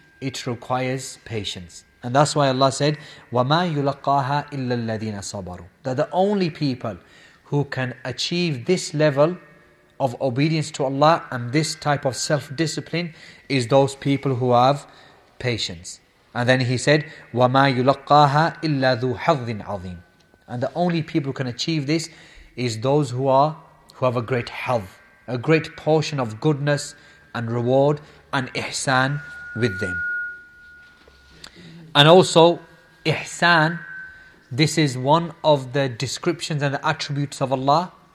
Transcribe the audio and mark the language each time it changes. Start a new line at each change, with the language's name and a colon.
English: It requires patience. And that's why Allah said
Arabic: وَمَا يُلَقَّاهَا إِلَّا الَّذِينَ صَبَرُوا.
English: That the only people who can achieve this level of obedience to Allah and this type of self-discipline is those people who have patience. And then he said,
Arabic: وَمَا يُلَقَّاهَا إِلَّا ذُو حَظٍ عَظِيمٍ.
English: And the only people who can achieve this is those who have a great health, a great portion of goodness and reward and ihsan with them. And also, ihsan, this is one of the descriptions and the attributes of Allah.